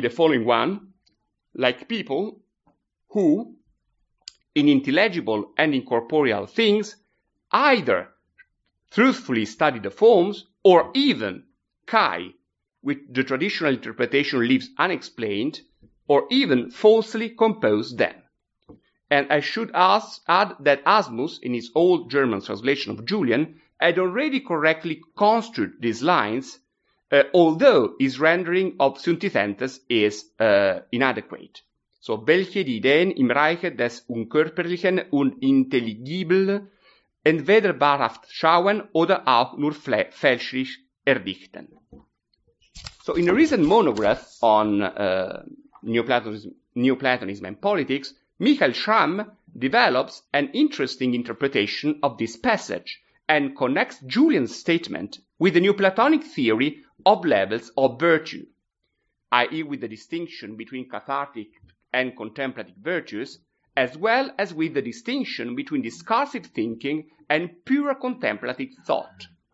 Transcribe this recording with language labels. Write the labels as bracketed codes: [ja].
[en] the following one, like people who, in intelligible and incorporeal things, either truthfully study the forms, or even chi, which the traditional interpretation leaves unexplained, or even falsely compose them. And I should add that Asmus, in his old German translation of Julian, had already correctly construed these lines, although his rendering of syntithentes is inadequate. [de] So, welche Ideen im Reiche des Unkörperlichen und Intelligibel entweder wahrhaft schauen oder auch nur fälschlich erdichten. [en] So, in a recent monograph on Neoplatonism and Politics, Michael Schramm develops an interesting interpretation of this passage and connects Julian's statement with the Neoplatonic theory of levels of virtue, i.e. with the distinction between cathartic and contemplative virtues, as well as with the distinction between discursive thinking and pure contemplative thought.